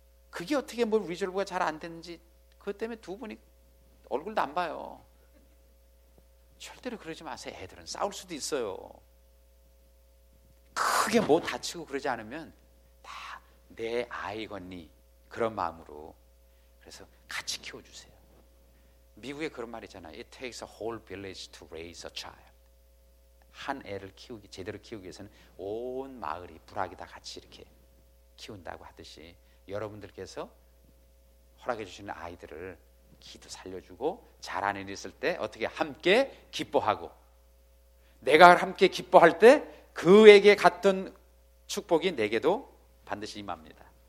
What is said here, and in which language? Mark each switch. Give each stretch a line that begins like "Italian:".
Korean: 그게 어떻게 뭐 리졸브가 잘 안 됐는지 그것 때문에 두 분이 얼굴도 안 봐요. 절대로 그러지 마세요. 애들은 싸울 수도 있어요. 크게 뭐 다치고 그러지 않으면 다 내 아이건니 그런 마음으로 그래서 같이 키워주세요. 미국에 그런 말 있잖아요.
English: It takes a whole village to raise a child.
Korean: 한 애를 키우기 제대로 키우기 위해서는 온 마을이 부락이 다 같이 이렇게 키운다고 하듯이 여러분들께서 허락해 주시는 아이들을 기도 살려주고 잘하는 일 있을 때 어떻게 함께 기뻐하고 내가 함께 기뻐할 때 그에게 갔던 축복이 내게도 반드시 임합니다.